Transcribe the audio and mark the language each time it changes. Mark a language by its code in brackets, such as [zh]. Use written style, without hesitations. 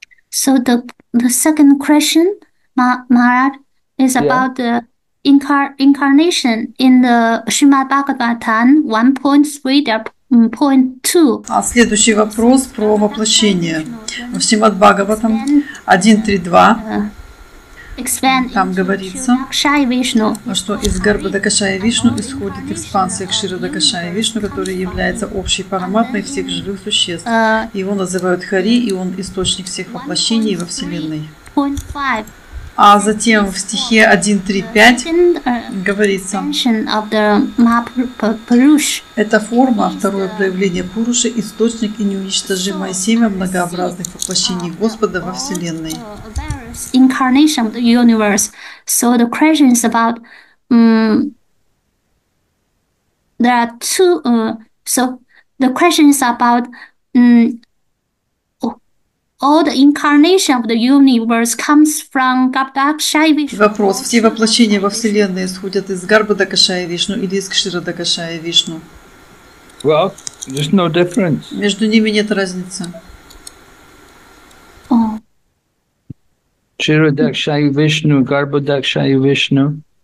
[en] So the second question, Maharaj, is about the incarnation in the Srimad Bhagavatam 1.3.2. [ru] А следующий вопрос про воплощение в Шримад Бхагаватам 1.3.2. Там говорится, что из Гарбхадакашая Вишну исходит экспансия к Ширадакашая Вишну, который является общей параматмой всех живых существ. Его называют Хари, и он источник всех воплощений во Вселенной. А затем в стихе 1.3.5 говорится, это форма, второе проявление Пуруши, источник и неуничтожимое семя многообразных воплощений Господа во Вселенной. [en] Incarnation of the universe. So the question is about there are two so the question is about all the incarnation of the universe comes from Garbhodakshaya Vishnu. [ru] Вопрос: все воплощения во Вселенной исходят из Гарбходакшая Вишну или из Кширадакшая Вишну? [en] Well, there's no difference. [ru] Между ними нет разницы. [en] Kshirodakshaya Vishnu, Garbhodakshaya Vishnu.